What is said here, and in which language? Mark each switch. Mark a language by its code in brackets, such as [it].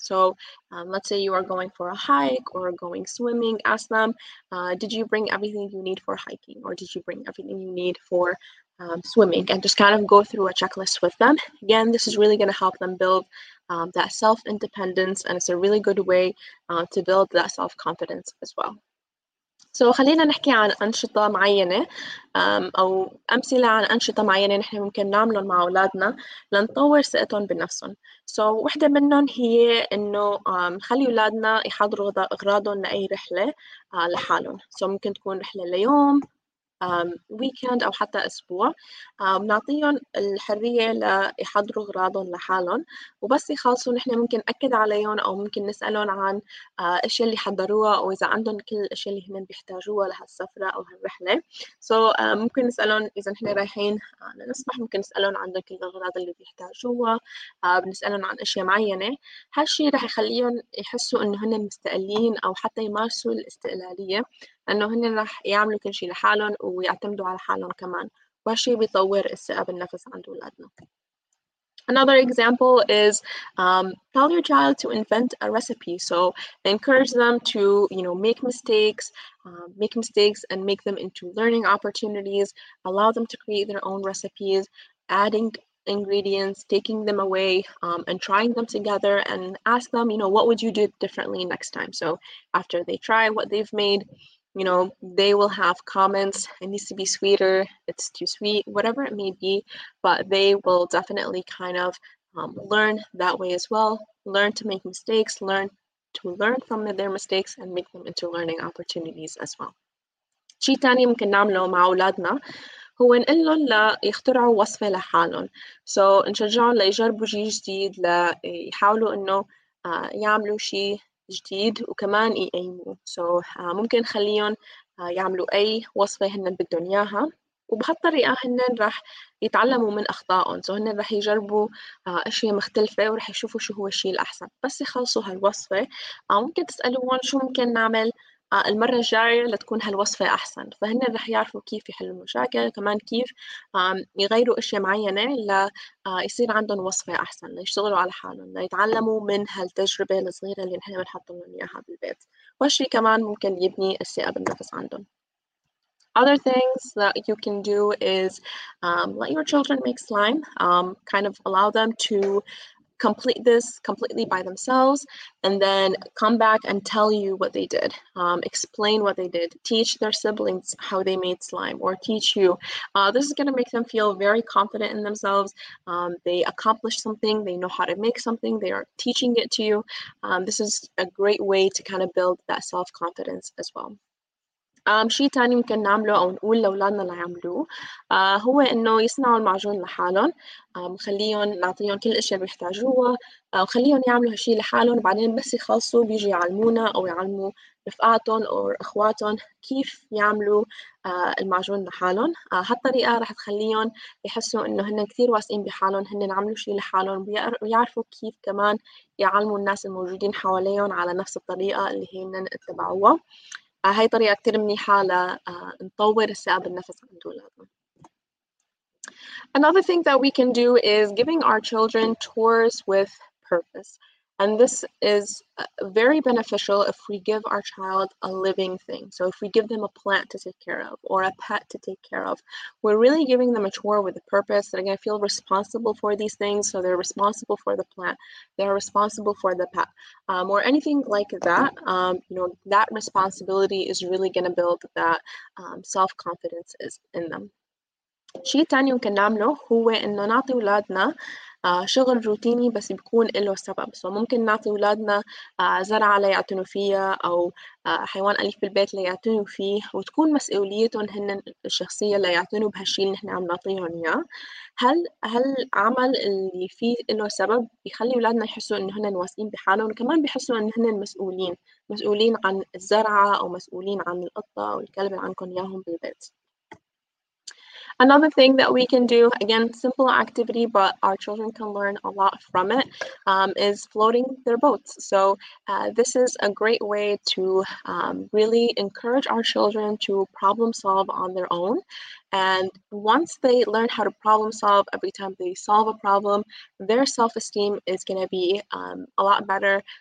[en] So let's say you are going for a hike or going swimming, ask them, did you bring everything you need for hiking, or did you bring everything you need for swimming? And just kind of go through a checklist with them. Again, this is really going to help them build that self-independence, and it's a really good way to build that self-confidence as well. So [ar] خلينا نحكي عن أنشطة معينة أو أمثلة عن أنشطة معينة نحن ممكن نعملهم مع أولادنا لنطور ثقتهم بنفسهم. [en] So [ar] واحدة منهم هي إنه نخلي أولادنا يحضروا أغراضهم لأي رحلة لحالهم. [en] So [ar] ممكن تكون رحلة ليوم، ويكند، أو حتى أسبوع. نعطيهم الحرية ليحضروا أغراضهم لحالهم، وبس يخلصوا نحن ممكن نأكد عليهم أو ممكن نسألهم عن إيش اللي حضروها، أو إذا عندهم كل الأشياء اللي هم بيحتاجوها لهالسفرة أو هالرحلة. [en] So [ar] ممكن نسألهم إذا نحن رايحين نسبح، ممكن نسألهم عن كل الأغراض اللي بيحتاجوها، بنسألهم عن أشياء معينة. هالشي رح يخليهم يحسوا إنه هن مستقلين، أو حتى يمارسوا الاستقلالية، أنه هن رح يعملوا كل شيء لحالهم ويعتمدوا على حالهم كمان، وهالشيء بيطور الثقة بالنفس عند أولادنا. [en] Another example is tell your child to invent a recipe. So encourage them to, you know, make mistakes and make them into learning opportunities. Allow them to create their own recipes, adding ingredients, taking them away, and trying them together, and ask them, you know, what would you do differently next time? So after they try what they've made, you know, they will have comments, it needs to be sweeter, it's too sweet, whatever it may be, but they will definitely kind of learn that way as well, learn to make mistakes, learn to learn from their mistakes, and make them into learning opportunities as well. [ar] شيء تاني ممكن نعمله مع أولادنا هو نقول لهم ليخترعوا وصفة لحالهم. [en] So [ar] نشجعهم ليجربوا شيء جديد، ليحاولوا إنه يعملوا شيء جديد وكمان يقيموا. [en] So [ar] ممكن نخليهم يعملوا أي وصفة هنن بدهم إياها، وبهالطريقة هنن رح يتعلموا من أخطائهم. [en] So [ar] هنن رح يجربوا أشياء مختلفة ورح يشوفوا شو هو الشيء الأحسن بس يخلصوا هالوصفة. ممكن تسألوهم شو ممكن نعمل المرة الجاية لتكون هالوصفة أحسن، فهنن رح يعرفوا كيف يحلوا المشاكل، كمان كيف يغيروا أشياء معينة ليصير عندهم وصفة أحسن، ليشتغلوا على حالهم، ليتعلموا من هالتجربة الصغيرة اللي نحن بنحط لهم إياها بالبيت، وهالشي كمان ممكن يبني الثقة بالنفس عندهم. [en] Other things that you can do is let your children make slime, kind of allow them to complete this completely by themselves, and then come back and tell you what they did. Explain what they did. Teach their siblings how they made slime, or teach you. This is going to make them feel very confident in themselves. They accomplished something. They know how to make something. They are teaching it to you. This is a great way to kind of build that self-confidence as well. [ar] شيء تاني ممكن نعمله أو نقول لأولادنا ليعملوه هو إنه يصنعوا المعجون لحالهم. خليهم نعطيهم كل الأشياء اللي بيحتاجوها، وخليهم يعملوا هالشيء لحالهم، وبعدين بس يخلصوا بيجي يعلمونا أو يعلموا رفقاتهم أو إخواتهم كيف يعملوا المعجون لحالهم. هالطريقة رح تخليهم يحسوا إنه هن كثير واثقين بحالهم، هن عملوا شيء لحالهم، ويعرفوا كيف كمان يعلموا الناس الموجودين حواليهم على نفس الطريقة اللي هن اتبعوها. هاي طريقة كتير منيحة لنطور الثقة بالنفس عند أولادنا. [en] Another thing that we can do is giving our children tours with purpose. And this is very beneficial if we give our child a living thing. So if we give them a plant to take care of or a pet to take care of, we're really giving them a chore with a purpose. They're going to feel responsible for these things. So they're responsible for the plant. They're responsible for the pet or anything like that. You know, that responsibility is really going to build that self-confidence is in them. [ar] شيء تاني ممكن نعمله هو إنه نعطي أولادنا شغل روتيني بس بيكون له سبب. [en] So [ar] ممكن نعطي أولادنا زرعة ليعتنوا فيها أو حيوان أليف بالبيت ليعتنوا فيه وتكون مسؤوليتهم هن الشخصية ليعتنوا بهالشيء اللي نحن عم نعطيهم إياه. هل عمل اللي فيه له سبب بيخلي أولادنا يحسوا إن هن واثقين بحالهم وكمان بيحسوا إن هن مسؤولين عن الزرعة أو مسؤولين عن القطة أو الكلب اللي عندكم إياهم بالبيت. [en] Another thing that we can do, again, simple activity, but our children can learn a lot from it, is floating their boats. So this is a great way to really encourage our children to problem solve on their own. And once they learn how to problem solve, every time they solve a problem, their self-esteem is going to be a lot better.